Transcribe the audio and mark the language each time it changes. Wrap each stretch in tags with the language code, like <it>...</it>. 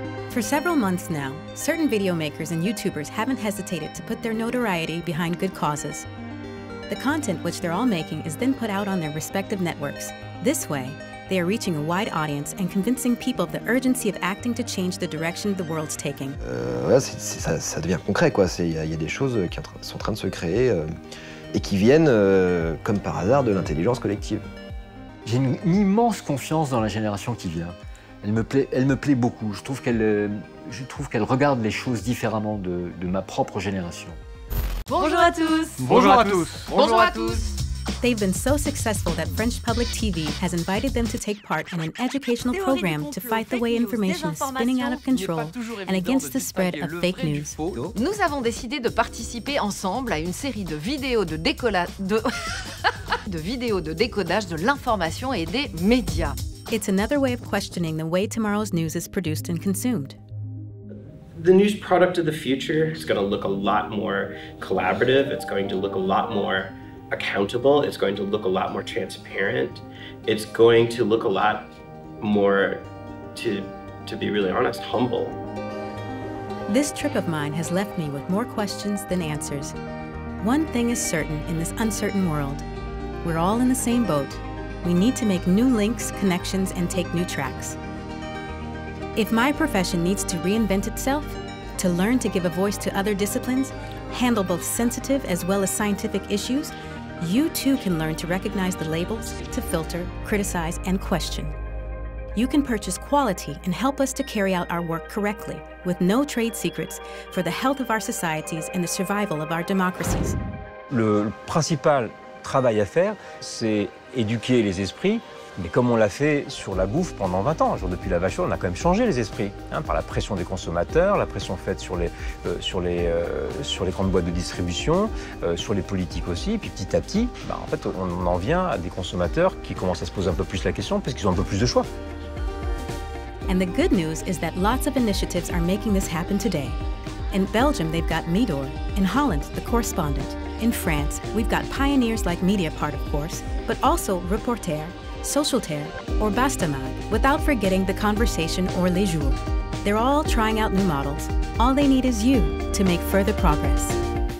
<en>For several months now, certain video makers and YouTubers haven't hesitated to put their notoriety behind good causes. The content which they're all making is then put out on their respective networks. This way, they are reaching a wide audience and convincing people of the urgency of acting to change the direction the world's taking.</en> <fr>Ça devient concret, quoi. Il y a des choses qui sont en train de se créer et qui viennent, comme par hasard, de l'intelligence collective. J'ai une immense confiance dans la génération qui vient. Elle me plaît beaucoup. Je trouve qu'elle regarde les choses différemment de ma propre génération. Bonjour à tous. Bonjour à tous. Bonjour à tous.</fr> <en>They've been so successful that French public TV has invited them to take part in an educational program to fight the way information is spinning out of control and against the spread of fake news.</en> <fr>Nous avons décidé de participer ensemble à une série de vidéos de décodage de l'information et des médias.</fr> <en>It's another way of questioning the way tomorrow's news is produced and consumed. The news product of the future is going to look a lot more collaborative. It's going to look a lot more accountable. It's going to look a lot more transparent. It's going to look a lot more, to be really honest, humble. This trip of mine has left me with more questions than answers. One thing is certain in this uncertain world. We're all in the same boat. We need to make new links, connections, and take new tracks. If my profession needs to reinvent itself, to learn to give a voice to other disciplines, handle both sensitive as well as scientific issues, you too can learn to recognize the labels, to filter, criticize, and question. You can purchase quality and help us to carry out our work correctly, with no trade secrets, for the health of our societies and the survival of our democracies.</en> <fr>Le principal travail à faire, c'est éduquer les esprits, mais comme on l'a fait sur la bouffe pendant 20 ans. Genre depuis la vache, on a quand même changé les esprits, hein, par la pression des consommateurs, la pression faite sur les grandes boîtes de distribution, sur les politiques aussi. Et puis petit à petit, bah, en fait, on en vient à des consommateurs qui commencent à se poser un peu plus la question parce qu'ils ont un peu plus de choix.</fr> <en>And the good news is that lots of initiatives are making this happen today. In Belgium, they've got Midor. In Holland, The Correspondent. In France, we've got pioneers like Mediapart, of course, but also Reporter, Socialterre, or Bastamag, without forgetting The Conversation or Les Jours. They're all trying out new models. All they need is you to make further progress.</en>